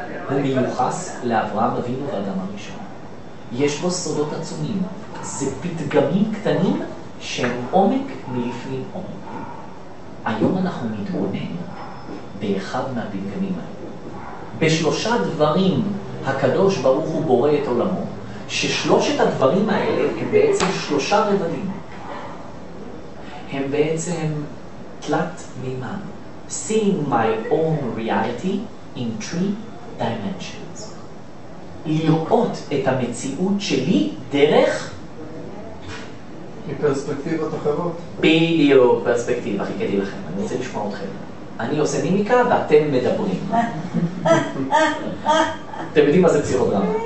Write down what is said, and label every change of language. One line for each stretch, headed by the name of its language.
Hebrew: הוא מיוחס לאברהם אבינו ואדם הראשון. יש בו סודות עצומים, זה פתגמים קטנים, שהם עומק מלפנים עומק. היום אנחנו נתבונן באחד מהפתגמים האלו. בשלושה דברים הקדוש ברוך הוא בורא את עולמו, ששלושת הדברים האלה הם בעצם שלושה רבדים. הם בעצם תלת מימן.
English: Seeing my own reality in three dimensions.
Hebrew: לראות את המציאות שלי דרך מפרספקטיבות אחרות. בדיוק, פרספקטיבה, הכי כדי לכם. אני רוצה לשמוע אתכם. אני עושה מימיקה ואתם מדברים. אתם יודעים מה זה פסיכודרמה?